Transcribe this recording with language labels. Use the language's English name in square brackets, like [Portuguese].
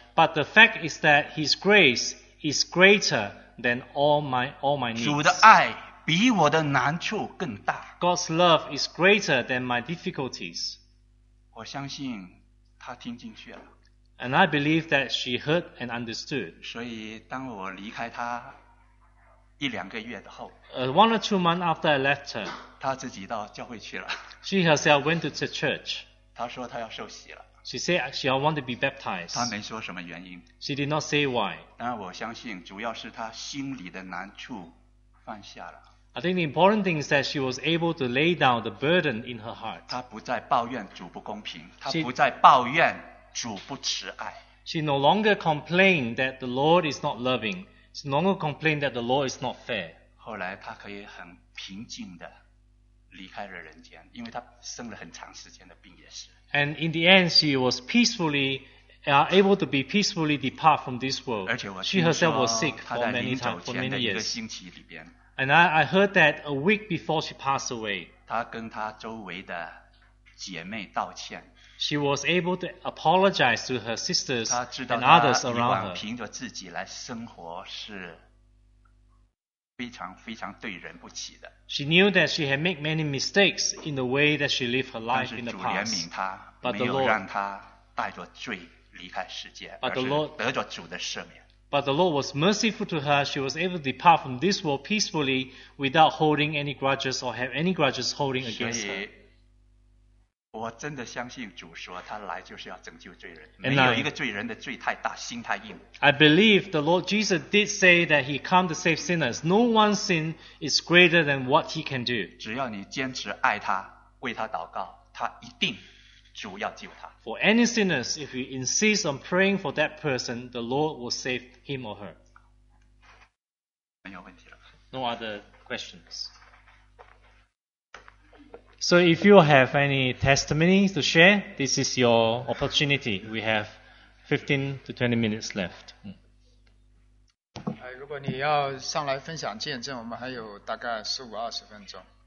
[English] But the fact is that His grace is greater than all my needs. [Chinese] 主的爱比我的难处更大。 [English] God's love is greater than my difficulties. [Chinese] 我相信他听进去了。 [English] And I believe that she heard and understood. [Chinese] 所以当我离开他一两个月后 [English] one or two months after I left her, [Chinese] 他自己到教会去了。 [English] She herself went to the church. [Chinese] 他说他要受洗了。 [English] She said she want to be baptized. [Chinese] 她没说什么原因。 [English] She did not say why. [Chinese] 但我相信主要是她心里的难处放下了。 [English] I think the important thing is that she was able to lay down the burden in her heart. [Chinese] 她不再抱怨主不公平，她不再抱怨主不慈爱。 [English] She no longer complained that the Lord is not loving. She no longer complained that the Lord is not fair. [Chinese] 后来她可以很平静的离开了人间，因为她生了很长时间的病也是。 [English] And in the end, she was peacefully depart from this world. She herself was sick for many years. And I heard that a week before she passed away, [Chinese] 她跟她周围的姐妹道歉。 [English] She was able to apologize to her sisters and others around her. [Chinese] 凭着自己来生活是非常非常对人不起的。 [English] She knew that she had made many mistakes in the way that she lived her life in the past. [Chinese] 但是主怜悯她，没有让她带着罪离开世界，而是得着主的赦免。 [English] But the Lord was merciful to her. She was able to depart from this world peacefully without holding any grudges or have any grudges holding against her. [Chinese] 我真的相信主说他来就是要拯救罪人，没有一个罪人的罪太大，心太硬。 [English] I believe the Lord Jesus did say that he come to save sinners. No one sin is greater than what he can do. [Chinese] 只要你坚持爱他，为他祷告，他一定主要救他。 [English] For any sinners, if you insist on praying for that person, the Lord will save him or her. [Chinese] 没有问题了。 [English] No other questions. So if you have any testimony to share, this is your opportunity. We have 15 to 20 minutes left. [Chinese] 如果你要上来分享见证，我们还有大概15-20分钟。